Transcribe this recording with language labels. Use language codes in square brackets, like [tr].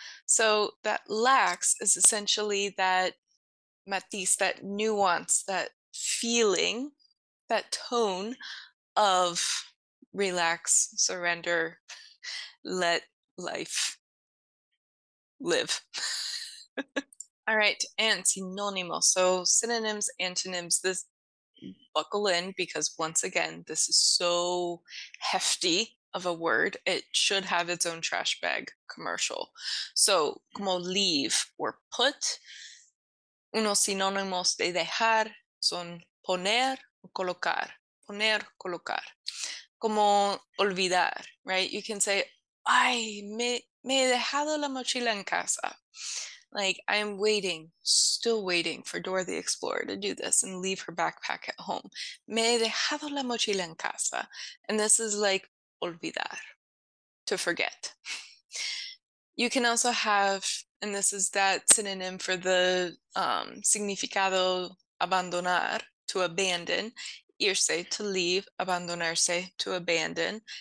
[en] So that lax is essentially that matiz, that nuance, that feeling, that tone of relax, surrender, let life live. All right, and synonymous. So synonyms, antonyms, this buckle in, because once again, this is so hefty of a word, it should have its own trash bag commercial. [es] So como [en] leave or put, [es] unos sinónimos de dejar son poner o colocar. Poner, colocar. Como olvidar, right? [en] You can say, [es] ay, me he dejado la mochila en casa. [en] Like, I'm waiting, still waiting for Dora the Explorer to do this and leave her backpack at home. [es] Me he dejado la mochila en casa. [en] And this is like olvidar, to forget. You can also have, and this is that synonym for the significado abandonar, to abandon, irse, to leave, abandonarse, to abandon.